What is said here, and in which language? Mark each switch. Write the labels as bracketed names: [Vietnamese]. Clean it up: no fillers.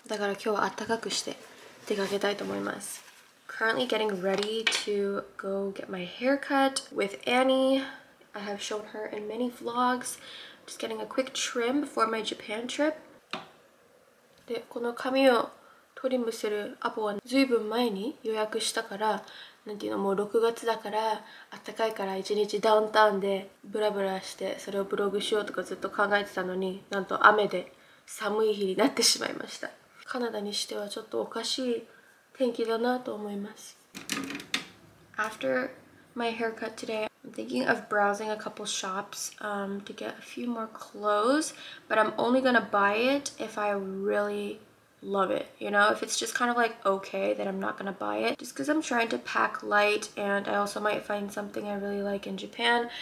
[Japanese] だから今日は暖かくして出かけたいと思います。 [English] Currently getting ready to go get my haircut with Annie. I have shown her in many vlogs. Just getting a quick trim before my Japan trip. [Japanese] で、この髪をトリムするアポは随分前に予約したから、なんていうの、もう6月だから暖かいから1日ダウンタウンでブラブラしてそれをブログしようとかずっと考えてたのに、なんと雨で寒い日になってしまいました。カナダにしてはちょっとおかしい天気だなと思います。 [English] After my haircut today, I'm thinking of browsing a couple shops, to get a few more clothes, but I'm only gonna buy it if I really love it. You know, if it's just kind of like okay, then I'm not gonna buy it. Just because I'm trying to pack light and I also might find something I really like in Japan.